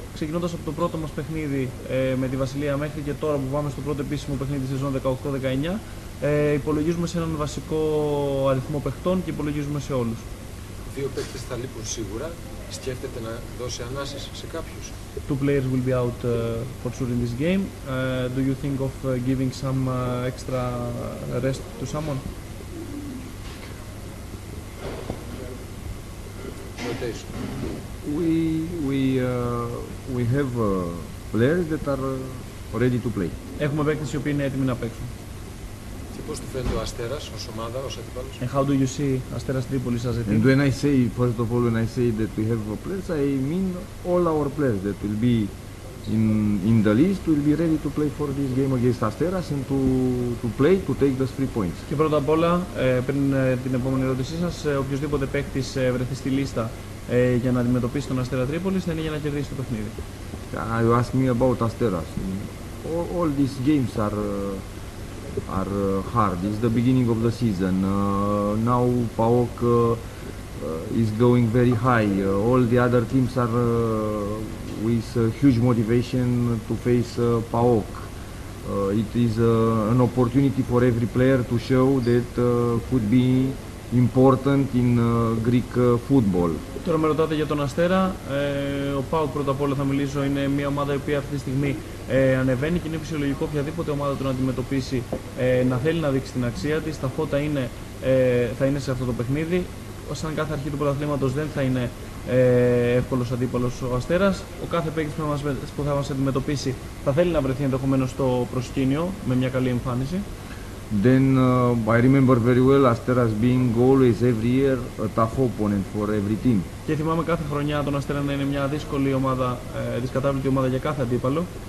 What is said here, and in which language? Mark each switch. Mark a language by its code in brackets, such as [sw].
[el] Ξεκινώντας από το πρώτο μας παιχνίδι με τη Βασιλεία μέχρι και τώρα που πάμε στο πρώτο επίσημο παιχνίδι σεζόν 18-19, υπολογίζουμε σε έναν βασικό αριθμό παιχτών και υπολογίζουμε σε όλους. Δύο παίκτες θα λείπουν σίγουρα. Σκέφτεται να δώσει ανάσες σε κάποιους? [en] Two players will be out for sure in this game. Do you think of giving some extra rest to someone? We have players that are ready to play. [el] Έχουμε παίκτες οι οποίοι είναι έτοιμοι να παίξουν. Πώς του φαίνεται ο Αστέρας ως ομάδα, ως αντίπαλος? [en] And how do you see Αστέρας Τρίπολης as a team? And when I say, first of all, when I say that we have players, I mean all our players that will be in the list, will be ready to play for this game against Asteras and to play, to take those three points. [el] Και πρώτα απ' όλα, πριν την επόμενη ερώτησή σας, οποιοσδήποτε παίκτης βρεθεί στη λίστα για να αντιμετωπίσει τον Αστέρα Τρίπολης, θα είναι για να κερδίσει το παιχνίδι. [en] You ask me about Asteras. All these games are hard. It's the beginning of the season. Now PAOK is going very high. All the other teams are with a huge motivation to face PAOK. It is an opportunity for every player to show that could be important in Greek football. [el] Τώρα με ρωτάτε για τον Αστέρα. Ο ΠΑΟΚ, πρώτα απ' όλα θα μιλήσω, είναι μια ομάδα η οποία αυτή τη στιγμή ανεβαίνει και είναι φυσιολογικό οποιαδήποτε ομάδα τον αντιμετωπίσει να θέλει να δείξει την αξία της. Τα φώτα θα είναι σε αυτό το παιχνίδι. Σαν κάθε αρχή του πρωταθλήματος δεν θα είναι εύκολος αντίπαλος ο Αστέρας. Ο κάθε παίκτης που θα μας αντιμετωπίσει θα θέλει να βρεθεί ενδεχομένως στο προσκήνιο με μια καλή εμφάνιση. [en] Then I remember very well Asteras being always every year a tough opponent for every team. [el] Και θυμάμαι κάθε χρονιά τον Αστέρα να είναι μια δύσκολη ομάδα, δυσκατάβλητη ομάδα για κάθε αντίπαλο.